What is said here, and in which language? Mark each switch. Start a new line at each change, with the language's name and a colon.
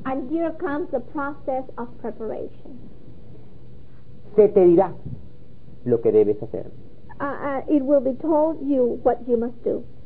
English: And here comes the process of preparation.
Spanish: Se te dirá lo que debes hacer.
English: It will be told you what you must do.